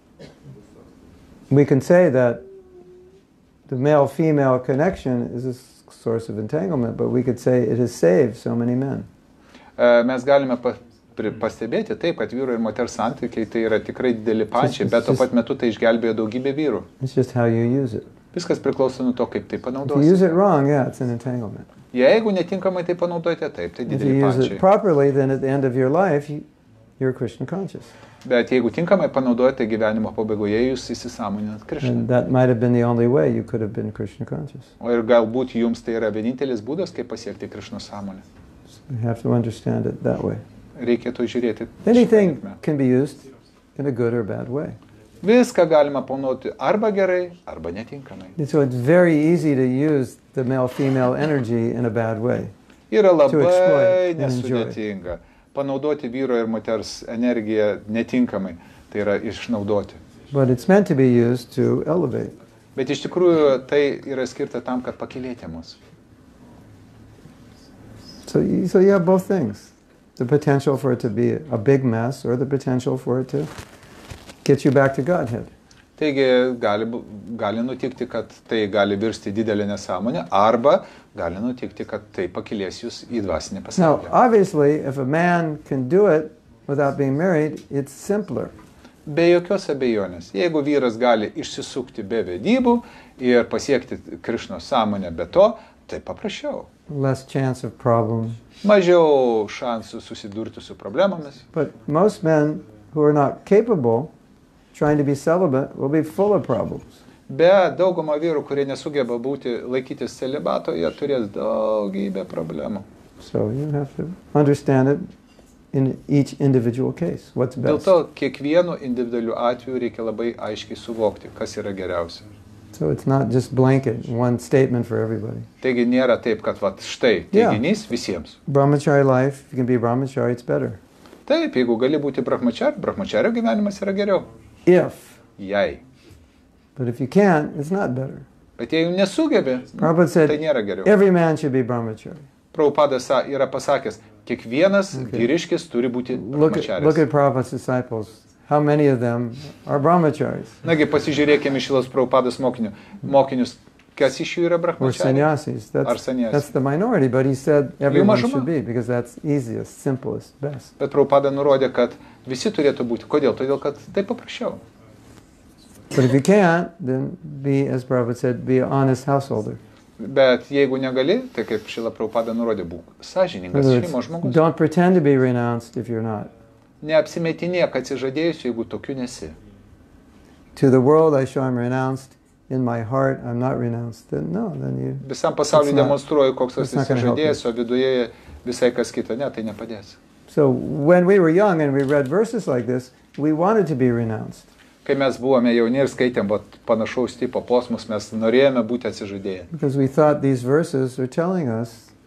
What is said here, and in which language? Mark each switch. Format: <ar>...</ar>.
<en>So, we can say that the male-female connection is a source of entanglement, but we could say it has saved so many men.</en> <lt>Mes galime pastebėti taip, kad vyro ir moters santykiai tai yra tikrai dideli pačiai, bet tuo pat metu tai išgelbėjo daugybę vyrų.</lt> <en>It's just how you use it.</en> <lt>Viskas priklauso nuo to, kaip tai panaudosi.</lt> <en>If you use it wrong, yeah, it's an entanglement.</en> <lt>Jeigu netinkamai tai panaudojate, taip, tai dideli pačiai.</lt> <en>If you use it properly, then at the end of your life, you're Krishna conscious.</en> <lt>Bet jeigu tinkamai panaudojate gyvenimo pabaigoje, jūs įsisąmoninat Krishna.</lt> <en>And that might have been the only way you could have been Krishna conscious.</en> <lt>O ir galbūt jums tai yra vienintelis būdas, kaip pasiekti Krishna sąmonę.</lt> <en>So you have to understand it that way.</en> <lt>Reikėtų žiūrėti.</lt> <en>Anything can be used in a good or bad way.</en> <lt>Viską galima panaudoti arba gerai, arba netinkamai.</lt> <en>And so it's very easy to use the male-female energy in a bad way.</en> <lt>Yra labai nesudėtinga. Panaudoti vyro ir moters energiją netinkamai, tai yra išnaudoti.</lt> <en>But it's meant to be used to elevate.</en> <lt>Bet iš tikrųjų tai yra skirta tam, kad pakylėti mus.</lt> <en>So you have both things. The potential for it to be a big mess or the potential for it to get you back to Godhead.</en> <lt>Taigi gali nutikti, kad tai gali virsti didelį nesąmonę, arba gali nutikti, kad tai pakilės jūs į dvasinį pasaulį.</lt> <en>Now, obviously, if a man can do it without being married, it's simpler.</en> <lt>Be jokios abejonės. Jeigu vyras gali išsisukti be vedybų ir pasiekti Krišno sąmonę be to, tai paprasčiau.</lt> <en>Less chance of problem.</en> <lt>Mažiau šansų susidurti su problemomis.</lt> <en>But most men who are not capable trying to be celibate will be full of problems.</en> <lt>Be dauguma vyrų, kurie nesugeba būti laikytis celibato, jie turės daugybę problemų.</lt> <en>So you have to understand it in each individual case. What's best?</en> <lt>Dėl to kiekvienu individualiu atveju reikia labai aiškiai suvokti, kas yra geriausia.</lt> <en>So it's not just blanket one statement for everybody.</en> <lt>Taigi nėra taip, kad vat štai teiginys visiems.</lt> <en>Brahmachari life, you can be brahmachari, it's better.</en> <lt>Taip, jeigu gali būti brahmachari, brahmachario gyvenimas yra geriau.</lt> <en>If.</en> <lt>Jei.</lt> <en>But if you can't, it's not better.</en> <lt>Bet jei nesugebi,</lt> <en>Prabhupada said,</en> <lt>tai nėra geriau.</lt> <en>Every man should be brahmachari.</en> <lt>Prabhupada yra pasakęs, kiekvienas vyriškis turi būti brahmacharis.</lt> <en>Look at Prabhupada's disciples. How many of them are brahmacharis?</en> <lt>Nagi, pasižiūrėkime šilos Prabhupados mokinius. Kas iš jų yra brahmacharis?</lt> <en>Or sannyasis. That's the minority, but he said everyone should be, because that's easiest, simplest, best.</en> <lt>Bet Prabhupada nurodė, kad visi turėtų būti. Kodėl? Todėl, kad tai paprasčiau.</lt> <en>But if you can't, then be, as Prabhupada said, be an honest householder.</en> <lt>Bet jeigu negali, tai kaip šila Prabhupada nurodė, būk sąžiningas šeimos žmogus.</lt> <en>Don't pretend to be renounced if you're not.</en> <lt>Neapsimetinėk atsižadėjusiu, jeigu tokiu nesi.</lt> <en>To the world I show I'm renounced, in my heart I'm not renounced, then no, then you...</en> <lt>Visam pasauliu demonstruoju, koks esi atsižadėjęs, o viduje visai kas kita, ne, tai nepadės.</lt> <en>So when we were young and we read verses like this, we wanted to be renounced.</en> <lt>Kai mes buvome jauni ir skaitėm panašaus tipo posmus, mes norėjome būti atsižadėję.</lt> <en>Because we thought these verses are telling us</en>